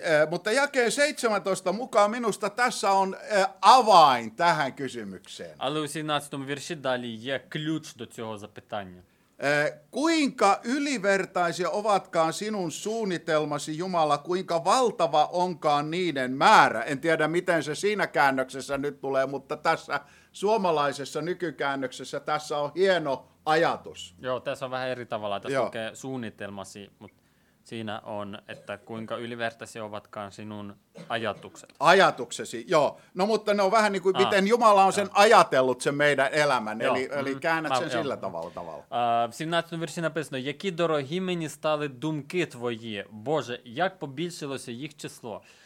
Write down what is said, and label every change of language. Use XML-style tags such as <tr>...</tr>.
<fi>Mutta jakeen 17 mukaan minusta tässä on avain tähän kysymykseen.</fi> <uk>Але у 17 вірші далі є ключ до цього запитання.</uk> <fi>Kuinka ylivertaisia ovatkaan sinun suunnitelmasi, Jumala, kuinka valtava onkaan niiden määrä? En tiedä, miten se siinä käännöksessä nyt tulee, mutta tässä suomalaisessa nykykäännöksessä tässä on hieno ajatus. Joo, tässä on vähän eri tavalla. Tässä Joo. lukee suunnitelmasi, mutta siinä on, että kuinka ylivertaisia ovatkaan sinun ajatukset. Ajatuksesi, joo. No mutta ne on vähän niin kuin, miten Jumala on sen ajatellut sen meidän elämän, joo. eli käännät sen sillä tavalla.</fi> <uk>В 17 вірші написано, які дорогі мені стали думки твої, Боже, як побільшилося їх число.</uk>